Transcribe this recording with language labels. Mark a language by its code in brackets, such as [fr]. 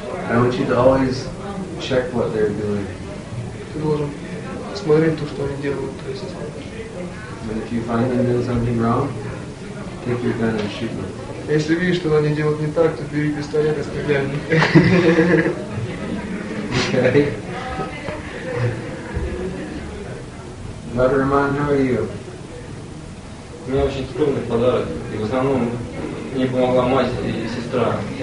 [en] I want you to always check what they're doing. [ru] Ты должен смотреть то, что они делают. То есть. [en] And if you find them doing something wrong, take your gun and shoot them. [ru] Если видишь, что они делают не так, то бери пистолет и стреляй в них. [en] Okay. Бадраман, how are you? [ru] У меня очень скромный подарок. И в основном мне помогла мать и сестра.